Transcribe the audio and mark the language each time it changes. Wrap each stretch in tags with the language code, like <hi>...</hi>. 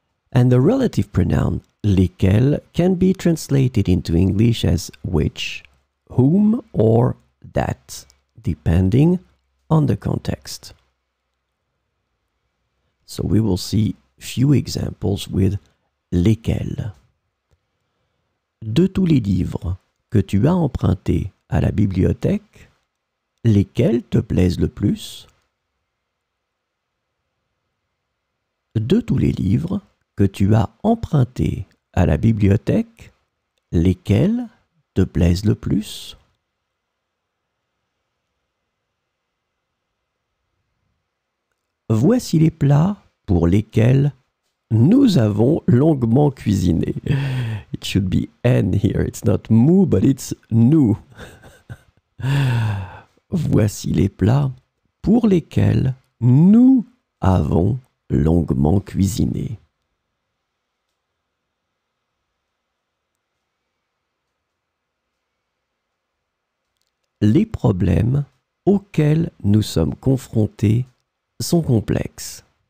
<en>And the relative pronoun lesquels can be translated into English as which, whom, or that, depending on the context. So, we will see few examples with lesquels.</en> <fr>De tous les livres que tu as empruntés à la bibliothèque, lesquels te plaisent le plus? De tous les livres que tu as empruntés à la bibliothèque, lesquels te plaisent le plus? Voici les plats pour lesquels nous avons longuement cuisiné.</fr> <en>It should be N here, it's not mou, but it's nous.</en> <fr>Voici les plats pour lesquels nous avons longuement cuisiné. Les problèmes auxquels nous sommes confrontés sont complexes.</fr>